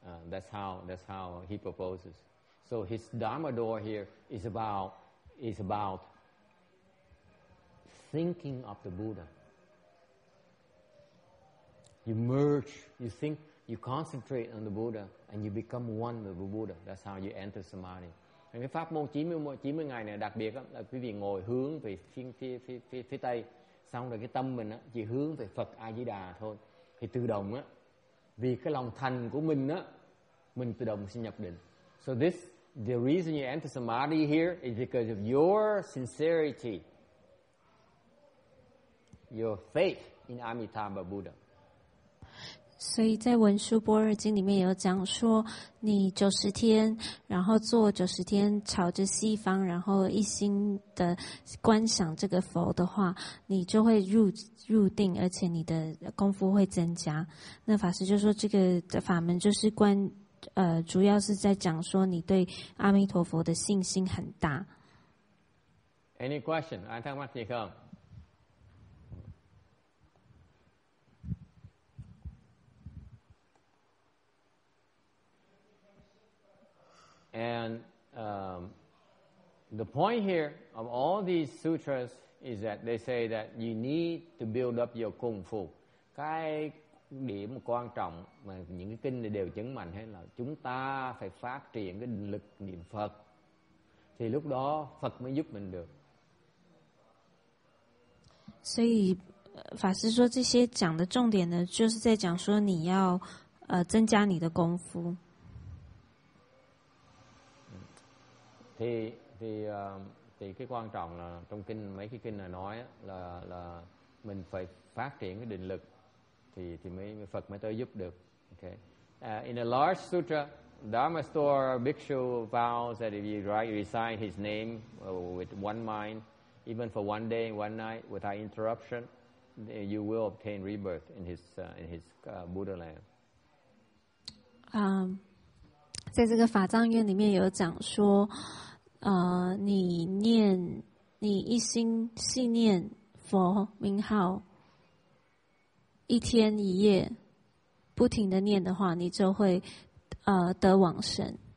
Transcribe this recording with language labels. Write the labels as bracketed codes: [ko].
[en] That's how he proposes. So his Dharma door here is about thinking of the Buddha. You merge, you think, you concentrate on the Buddha, and you become one with the Buddha. That's how you enter samadhi. [vi] And cái pháp môn 90 ngày này đặc biệt là quý vị ngồi hướng về phía tây, xong rồi cái tâm mình chỉ hướng về Phật A Di Đà thôi. Thì tự động vì cái lòng thành của mình tự động sinh nhập định. [en] So this, the reason you enter samadhi here is because of your sincerity, your faith in Amitabha Buddha. [zh] 所以在文殊般若经里面有讲说，你90天，然后坐90天朝着西方，然后一心的观想这个佛的话，你就会入定，而且你的功夫会增加。那法师就说，这个法门就是主要是在讲说你对阿弥陀佛的信心很大。 [en] Any question? I think what you come. And the point here of all these sutras is that they say that you need to build up your kung fu. [vi] Cái điểm quan trọng mà những cái kinh này đều chứng minh hết là chúng ta phải phát triển cái định lực niệm Phật. Thì lúc đó Phật mới giúp mình được. [zh] 所以法师说这些讲的重点呢，就是在讲说你要增加你的功夫。 [vi] Thì cái quan trọng là trong kinh, mấy cái kinh này nói là mình phải phát triển cái định lực thì mới Phật mới tới giúp được. [en] Okay. In a large sutra, Dharmastora Bhikshu vows that if you recite his name with one mind, even for one day, one night, without interruption, you will obtain rebirth in his Buddha land. [zh] 在这个法藏院里面有讲说，你念你一心信念佛名号，一天一夜不停的念的话，你就会得往生。